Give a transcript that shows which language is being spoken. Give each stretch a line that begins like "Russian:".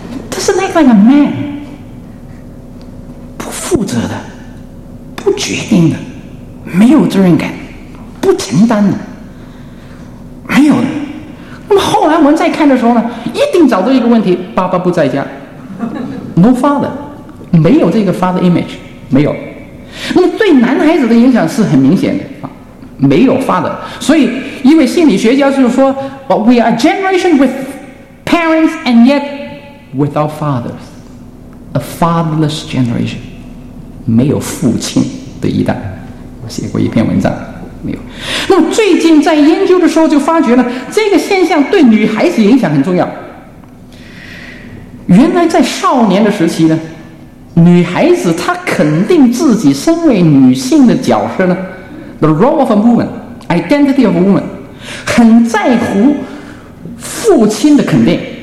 English: doesn't act like a man，
Chinese: 不负责的，不决定的，没有责任感，不承担的，没有的。那么后来我们再看的时候呢，一定找到一个问题，爸爸不在家。
English: No father，
Chinese: 没有这个 father image， 没有。那么对男孩子的影响是很明显的，没有 father。所以一位心理学家就是说
English: ，We are a generation with parents and yet without fathers， a fatherless generation，
Chinese: 没有父亲的一代。我写过一篇文章，没有。那么最近在研究的时候就发觉了这个现象对女孩子影响很重要。原来在少年的时期呢，女孩子她肯定自己身为女性的角色呢
English: The role of a woman， Identity of a woman，
Chinese: 很在乎父亲的肯定。